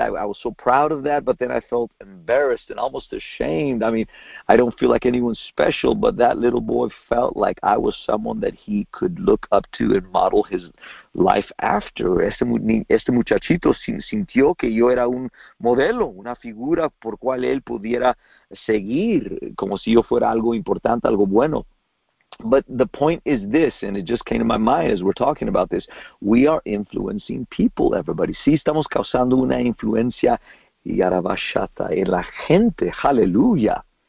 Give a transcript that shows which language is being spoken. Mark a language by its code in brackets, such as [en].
[en] I was so proud of that, but then I felt embarrassed and almost ashamed. I mean, I don't feel like anyone special, but that little boy felt like I was someone that he could look up to and model his life after. [es] Este muchachito sintió que yo era un modelo, una figura por cual él pudiera seguir, como si yo fuera algo importante, algo bueno. [en] But the point is this, and it just came to my mind as we're talking about this. We are influencing people, everybody. [es] Sí, estamos causando una influencia yarabashata en la gente. Hallelujah.